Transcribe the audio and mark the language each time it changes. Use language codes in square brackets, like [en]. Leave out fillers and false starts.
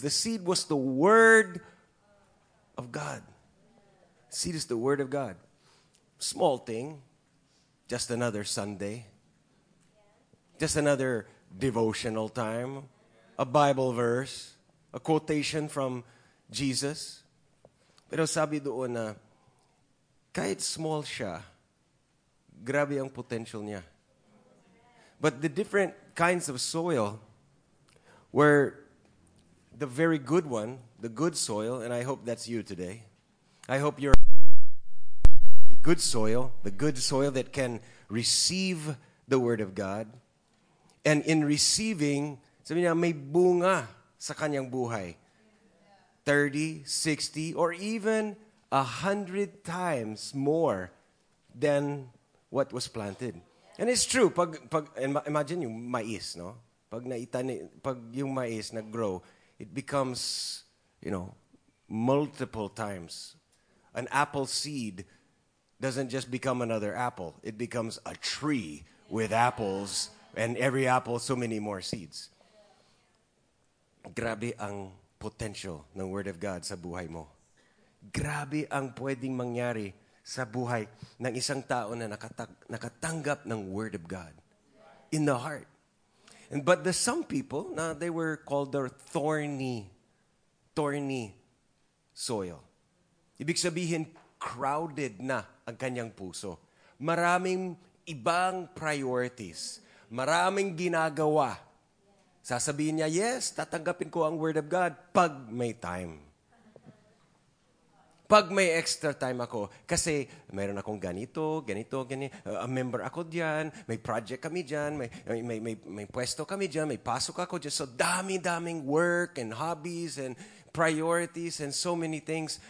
[en] The seed was the word of God. Seed is the word of God. Small thing. Just another Sunday. Just another devotional time. A Bible verse. A quotation from Jesus. [tl] Pero sabi doon na, kahit small siya, grabe ang potential niya. [en] But the different kinds of soil were the very good one, the good soil, and I hope that's you today. I hope you're the good soil that can receive the Word of God. And in receiving, [tl] sabi niya, may bunga sa kanyang buhay. [en] 30, 60, or even 100 times more than what was planted. And it's true, [tl] pag imagine yung mais, no? Pag naitani, pag yung mais nag-grow, [en] it becomes, you know, multiple times. An apple seed doesn't just become another apple. It becomes a tree with apples, and every apple, so many more seeds. [tl] Grabe ang potential ng Word of God sa buhay mo. Grabe ang pwedeng mangyari sa buhay ng isang tao na nakatanggap ng Word of God [en] in the heart. And but the some people, now they were called the thorny soil. [tl] Ibig sabihin, crowded na ang kanyang puso. Maraming ibang priorities. Maraming ginagawa. Sasabihin niya, yes, tatanggapin ko ang Word of God pag may time. Pag may extra time ako. Kasi mayroon akong ganito, a member ako dyan, may project kami dyan, may pwesto kami dyan, may pasok ako dyan. So dami-daming [en] work and hobbies and priorities and so many things.